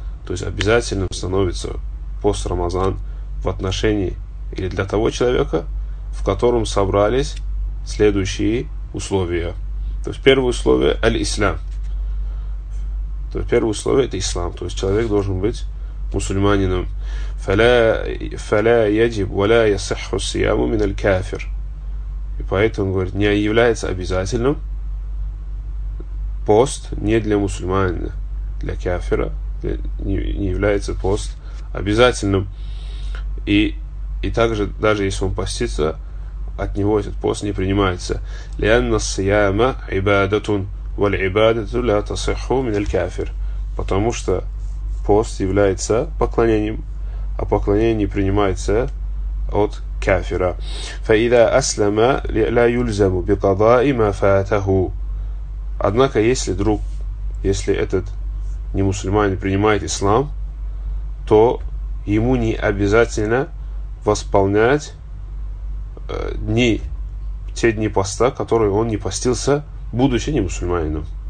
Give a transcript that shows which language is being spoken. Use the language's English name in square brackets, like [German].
[Russian] То есть обязательным становится пост Рамазан в отношении или для того человека, в котором собрались следующие условия. То есть первое условие – аль-ислам. То есть первое условие – это ислам. То есть человек должен быть мусульманином. [Arabic] فلا يجب ولا يصح الصيام من الكافر. [Russian] И поэтому, говорит, не является обязательным пост не для мусульманина, для кафира не является пост обязательным. И также, даже если он постится, от него этот пост не принимается. [Arabic] لأن الصيام عبادة والعبادة لا تصح من الكافر. [Russian] Потому что пост является поклонением, а поклонение не принимается от кафира. [Arabic] فَإِذَا أَسْلَمَ لَا يُلْزَمُ بِقَضَاءِ مَا فَاتَهُ. [Russian] Однако, если друг, если этот немусульманин принимает ислам, то ему не обязательно восполнять дни, те дни поста, которые он не постился, будучи немусульманином.